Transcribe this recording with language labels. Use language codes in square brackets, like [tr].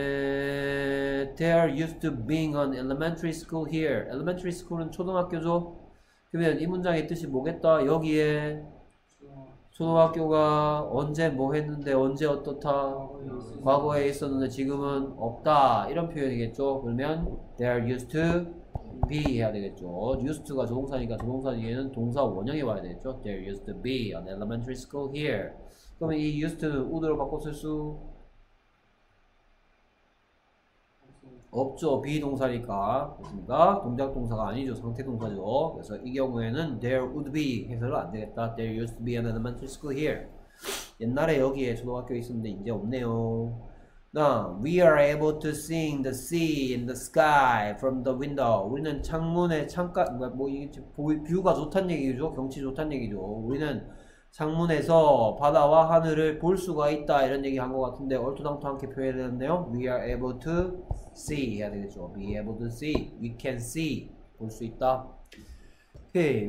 [ko] 그다음에 [en] there used to being an elementary school here. [ko] Elementary school은 초등학교죠? 그러면 이 문장의 뜻이 뭐겠다? 여기에 초등학교가 언제 뭐 했는데 언제 어떻다? 과거에 있었는데 지금은 없다. 이런 표현이겠죠? 그러면 [en] there used to be [ko] 해야 되겠죠. used 가 조동사니까 조동사 뒤에는 동사 원형이 와야 되겠죠. [en] There used to be an elementary school here. [ko] 그러면 이 used 는 would 로 바꿔 쓸수 없죠. be 동사니까. 그렇습니까? 동작 동사가 아니죠. 상태 동사죠. 그래서 이 경우에는 [en] there would be [ko] 해서는 안 되겠다. [en] There used to be an elementary school here. [ko] 옛날에 여기에 초등학교 있었는데 이제 없네요. [en] Now, we are able to see the sea in the sky from the window. [ko] 우리는 창문에 창가 뭐 이게 뷰가 좋단 얘기죠. 경치 좋단 얘기죠. 우리는 창문에서 바다와 하늘을 볼 수가 있다 이런 얘기 한것 같은데 얼토당토 않게 표현했네요. [en] We are able to see [ko] 해야 되겠죠. [en] Be able to see. We can see. [ko] 볼수 있다. 오케이.